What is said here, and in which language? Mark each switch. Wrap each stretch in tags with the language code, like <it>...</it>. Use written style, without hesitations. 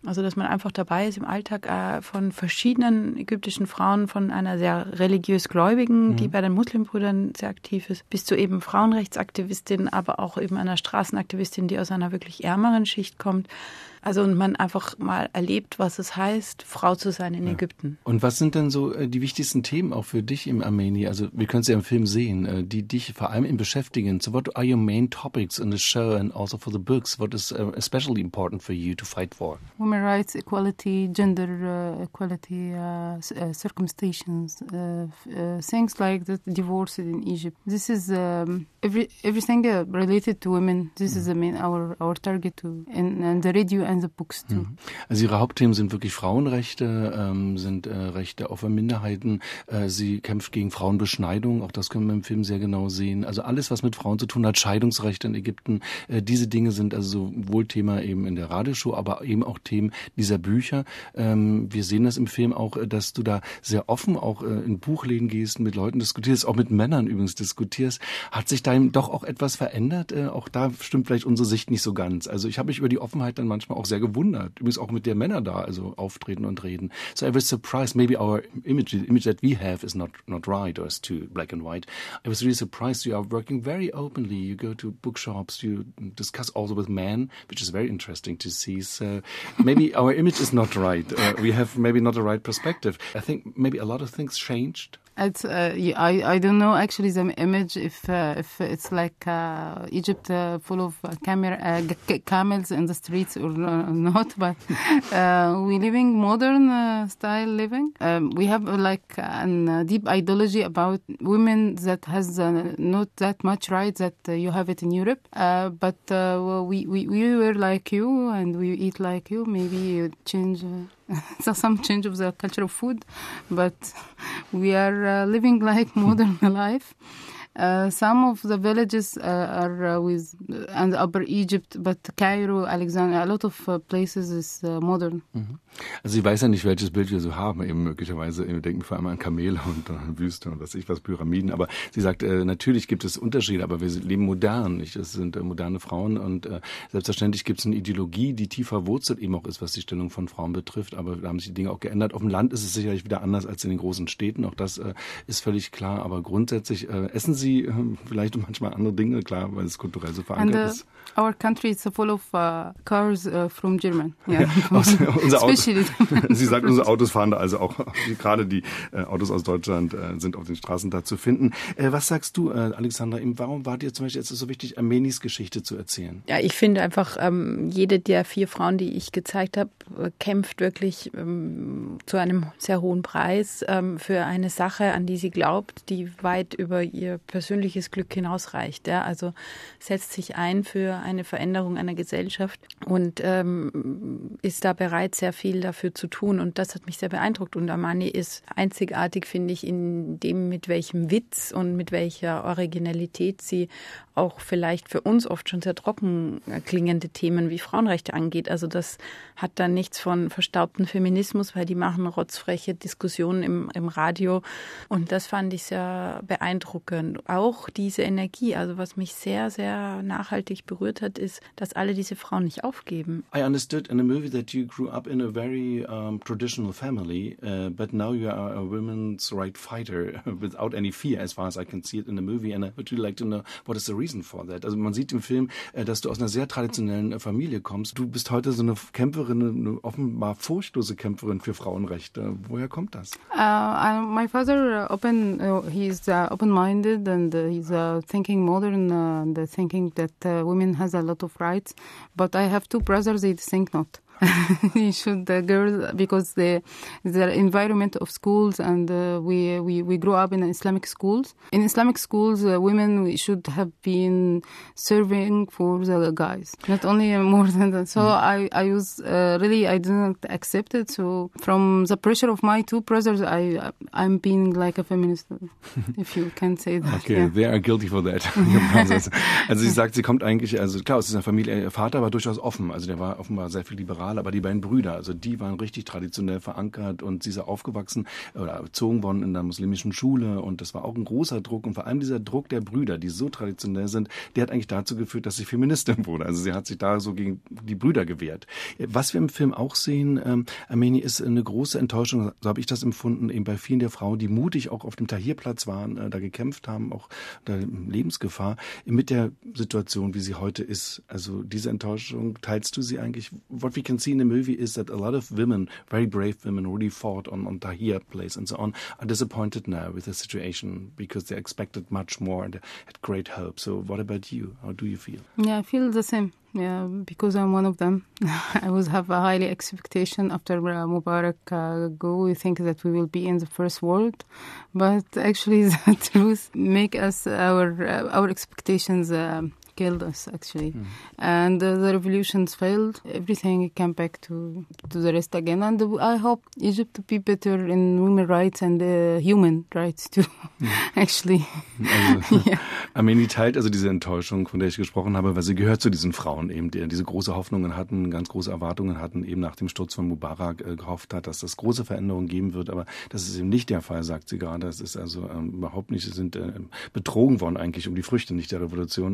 <de>Also, dass man einfach dabei ist im Alltag von verschiedenen ägyptischen Frauen, von einer sehr religiös Gläubigen, die bei den Muslimbrüdern sehr aktiv ist, bis zu eben Frauenrechtsaktivistin, aber auch eben einer Straßenaktivistin, die aus einer wirklich ärmeren Schicht kommt. Also und man einfach mal erlebt, was es heißt, Frau zu sein in Ägypten. Und was sind denn so die wichtigsten Themen auch für dich im Ameni? Also wir können sie ja im Film sehen, die dich vor allem im beschäftigen.</de> <en>So what are your main topics in the show and also for the books? What is especially important for you to fight for? Women rights, equality, gender equality, circumstances, things like the divorce in Egypt. This is everything related to women. This is the main our target too. And the radio and the books too.</en> <de>Also ihre Hauptthemen sind wirklich Frauenrechte, sind Rechte auf Minderheiten. Sie kämpft gegen Frauenbeschneidung, auch das können wir im Film sehr genau sehen. Also alles, was mit Frauen zu tun hat, Scheidungsrechte in Ägypten. Diese Dinge sind also sowohl Thema eben in der Radioshow, aber eben auch Themen dieser Bücher. Wir sehen das im Film auch, dass du da sehr offen auch in Buchläden gehst, mit Leuten diskutierst, auch mit Männern übrigens diskutierst. Hat sich da doch auch etwas verändert? Auch da stimmt vielleicht unsere Sicht nicht so ganz. Also ich habe mich über die Offenheit dann manchmal auch sehr gewundert, übrigens auch mit der Männer da, also auftreten und reden.</de> <en>So I was surprised, maybe our image, the image that we have is not right or is too black and white. I was really surprised you are working very openly, you go to bookshops, you discuss also with men, which is very interesting to see. So maybe our image is not right, we have maybe not the right perspective. I think maybe a lot of things changed. It's I don't know actually the image if it's like Egypt full of camels in the streets or not, but we living modern style living. We have like an deep ideology about women that has not that much right that you have it in Europe. But we wear like you and we eat like you. Maybe you change. So some change of the culture of food, but we are living like modern life. Some of the villages are with and Upper Egypt, but Cairo, Alexandria, a lot of places is modern.</en> <de>Also ich weiß ja nicht, welches Bild wir so haben, eben möglicherweise, wir denken vor allem an Kamele und an Wüste und was ich was, Pyramiden, aber sie sagt, natürlich gibt es Unterschiede, aber wir leben modern, nicht? Es sind moderne Frauen und selbstverständlich gibt es eine Ideologie, die tiefer wurzelt eben auch ist, was die Stellung von Frauen betrifft, aber da haben sich die Dinge auch geändert. Auf dem Land ist es sicherlich wieder anders als in den großen Städten, auch das ist völlig klar, aber grundsätzlich essen Sie Sie vielleicht und manchmal andere Dinge, klar, weil es kulturell so verankert ist.</de> <en>Our country is full of cars from German.</en> <de>Sie sagt, unsere Autos fahren da, also auch gerade die Autos aus Deutschland sind auf den Straßen da zu finden. Was sagst du, Alexandra, warum war dir zum Beispiel jetzt so wichtig, Armenis Geschichte zu erzählen? Ja, ich finde einfach, jede der vier Frauen, die ich gezeigt habe, kämpft wirklich zu einem sehr hohen Preis für eine Sache, an die sie glaubt, die weit über ihr persönliches Glück hinausreicht. Ja? Also setzt sich ein für eine Veränderung einer Gesellschaft und ist da bereit, sehr viel dafür zu tun. Und das hat mich sehr beeindruckt. Und Armani ist einzigartig, finde ich, in dem, mit welchem Witz und mit welcher Originalität sie auch vielleicht für uns oft schon sehr trocken klingende Themen wie Frauenrechte angeht. Also das hat dann nichts von verstaubtem Feminismus, weil die machen rotzfreche Diskussionen im Radio. Und das fand ich sehr beeindruckend. Auch diese Energie, also was mich sehr, sehr nachhaltig berührt hat, ist, dass alle diese Frauen nicht aufgeben.</de> <en>I understood in the movie that you grew up in a very traditional family, but now you are a women's right fighter without any fear, as far as I can see it in the movie. And I would really like to know, what is the reason for that?</en> <de>Also man sieht im Film, dass du aus einer sehr traditionellen Familie kommst. Du bist heute so eine Kämpferin, eine offenbar furchtlose Kämpferin für Frauenrechte. Woher kommt das?</de> <en>My father open-minded and he's thinking modern and thinking that women has a lot of rights. But I have two brothers, they think not. You should the girls because the environment of schools and we grew up in Islamic schools. In Islamic schools, women should have been serving for the guys, not only more than that. So I didn't accept it. So from the pressure of my two brothers, I'm being like a feminist, if you can say that. Okay, yeah. They are guilty for that.</en> <de>Also sie sagt, sie kommt eigentlich, also klar, aus dieser Familie, ihr Vater war durchaus offen. Also der war offenbar sehr viel liberal. Aber die beiden Brüder, also die waren richtig traditionell verankert und sie ist aufgewachsen oder erzogen worden in der muslimischen Schule und das war auch ein großer Druck und vor allem dieser Druck der Brüder, die so traditionell sind, der hat eigentlich dazu geführt, dass sie Feministin wurde. Also sie hat sich da so gegen die Brüder gewehrt. Was wir im Film auch sehen, Armeni, ist eine große Enttäuschung, so habe ich das empfunden, eben bei vielen der Frauen, die mutig auch auf dem Tahrirplatz waren, da gekämpft haben, auch unter Lebensgefahr, mit der Situation, wie sie heute ist. Also diese Enttäuschung, teilst du sie eigentlich?</de> <en>What we can see in the movie is that a lot of women, very brave women, really fought on Tahrir place and so on, are disappointed now with the situation because they expected much more and had great hope. So what about you? How do you feel? Yeah, I feel the same. Yeah, because I'm one of them. I always have a high expectation after Mubarak go. We think that we will be in the first world. But actually, the truth make us, our expectations killed us, actually. Mm. And the revolutions failed. Everything came back to the rest again. And I hope Egypt to be better in women's rights and human rights too, actually.</en> <de>Armeni teilt also diese Enttäuschung, von der ich gesprochen habe, weil sie gehört zu diesen Frauen eben, die diese große Hoffnungen hatten, ganz große Erwartungen hatten, eben nach dem Sturz von Mubarak gehofft hat, dass das große Veränderungen geben wird. Aber das ist eben nicht der Fall, sagt sie gerade. Das ist also überhaupt nicht, sie sind betrogen worden eigentlich um die Früchte, nicht der Revolution.</de>